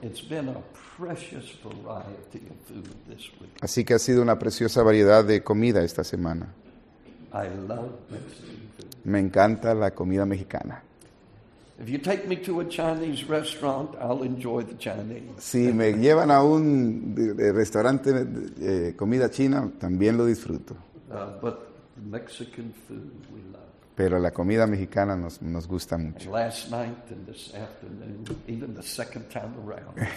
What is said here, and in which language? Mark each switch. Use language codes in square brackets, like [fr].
[en] It's been a precious variety of food this week. [es] Así que ha sido una preciosa variedad de comida esta semana. [en] I love Mexican food. [es] Me encanta la comida mexicana. [en] If you take me to a Chinese restaurant, I'll enjoy the Chinese. [es] Si me llevan a un restaurante de comida china, también lo disfruto. [en] But Mexican food we love. [es] Pero la comida mexicana nos gusta mucho. [en] And last night and this afternoon, even the second time around.